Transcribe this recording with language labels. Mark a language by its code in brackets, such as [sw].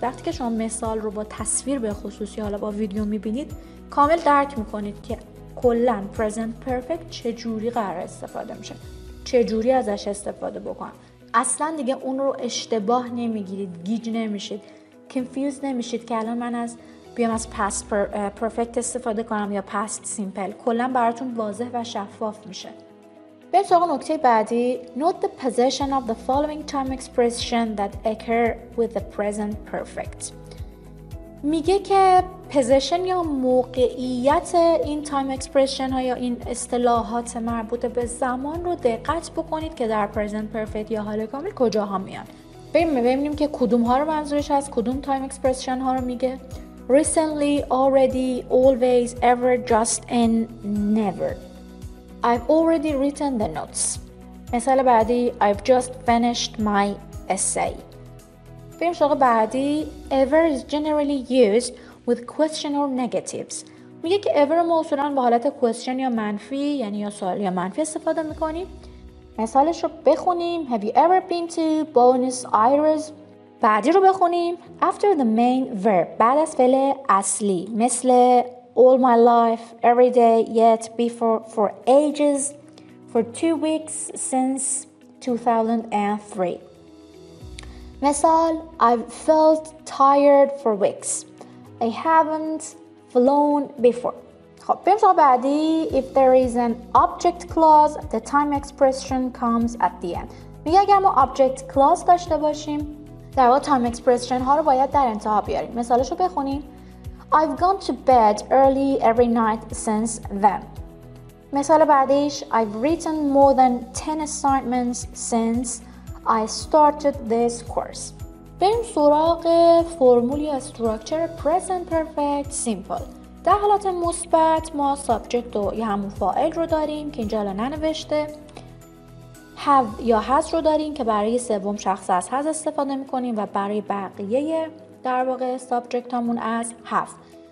[fa] وقتی که شما مثال رو با تصویر به خصوصی حالا با ویدیو میبینید، کامل درک میکنید که کلن present perfect چجوری قرار استفاده میشه، چجوری ازش استفاده بکنم. اصلا دیگه اون رو اشتباه نمیگیرید، گیج نمیشید، کنفیوز نمیشید که الان من از بیام از past perfect استفاده کنم یا past simple. کلن براتون واضح و شفاف میشه. بریم سراغ نکته بعدی. [en] Note the position of the following time expression that occur with the present perfect. [fa] میگه که position یا موقعیت این time expression ها یا این اصطلاحات مربوط به زمان رو دقت بکنید که در present perfect یا حال کامل کجاها میان. ببینیم که کدوم ها رو منظورش هست، کدوم time expression ها رو میگه. [en] Recently, already, always, ever, just, and never. I've already written the notes. [fa] مثال بعدی، [en] I've just finished my essay. [fa] بریم سراغ بعدی. [en] Ever is generally used with question or negatives. [fa] میگه که ever ما اصولا با حالت question یا منفی، یعنی یا سوال یا منفی استفاده میکنیم. مثالش رو بخونیم. [en] Have you ever been to Buenos Aires? [fa] بعدی رو بخونیم. [en] After the main verb. [fa] بعد از فعل اصلی. مثل [en] all my life, every day, yet, before, for ages, for 2 weeks, since 2003. مثال, I've felt tired for weeks. I haven't flown before. [fa] خب, بریم سراغ بعدی. [en] If there is an object clause, the time expression comes at the end. [fa] میگه اگر ما object clause داشته باشیم, در واقع time expression ها رو باید در انتها بیاریم. مثالش رو بخونیم. [en] I've gone to bed early every night since then. [fa] مثال بعدیش, [en] I've written more than 10 assignments since I started this course. [fa] بریم سراغ فرمولی استراکچر present perfect simple. در حالت مثبت ما subject و یا همون فاعل رو داریم که اینجا الان ننوشته. Have یا has رو داریم که برای سوم شخص از has استفاده میکنیم و برای بقیه در واقع subject همون از have.